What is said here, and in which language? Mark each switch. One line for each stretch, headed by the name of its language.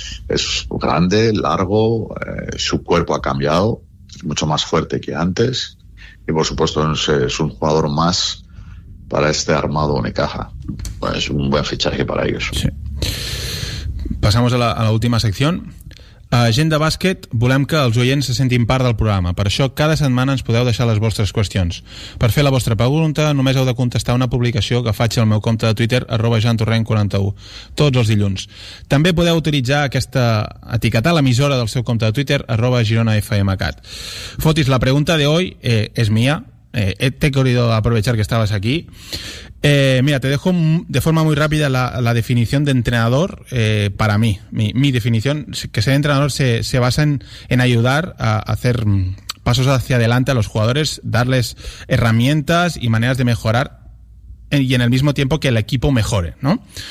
Spanish: Es grande, largo, su cuerpo ha cambiado, es mucho más fuerte que antes, y por supuesto es un jugador más para este armado Unicaja. Bueno, es un buen fichaje para ellos. Sí. Pasamos a la última sección.
Catalan: A Agenda Bàsquet volem que els oients se sentin part del programa. Per això, cada setmana ens podeu deixar les vostres qüestions. Per fer la vostra pregunta, només heu de contestar una publicació que faig al meu compte de Twitter, @jantorrent41, tots els dilluns. També podeu utilitzar aquesta etiqueta a l'emissora del seu compte de Twitter, @gironafmcat. Fotis, la pregunta d'avui és mia.
Spanish: Te he querido aprovechar que estabas aquí. Mira, te dejo de forma muy rápida la definición de entrenador, para mí. Mi definición, que ser entrenador se basa en ayudar a hacer pasos hacia adelante a los jugadores, darles herramientas y maneras de mejorar, y en el mismo tiempo que el equipo mejore, ¿no?